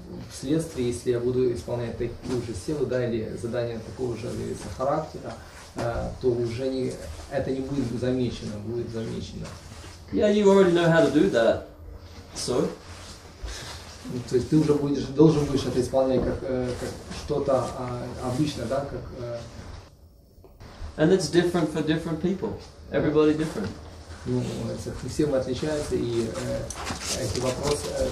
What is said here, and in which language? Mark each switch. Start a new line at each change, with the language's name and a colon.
Russian: Вследствие, если я буду исполнять такую же силу, да, или задание такого же характера, то уже не, это не будет замечено, будет замечено.
English: Yeah, you already know how to do that. So?
Russian: То есть ты уже будешь, должен будешь это исполнять как что-то обычное, да, как...
English: And it's different for different people. Everybody different.
Russian: Ну, это всем отличается, и эти вопросы...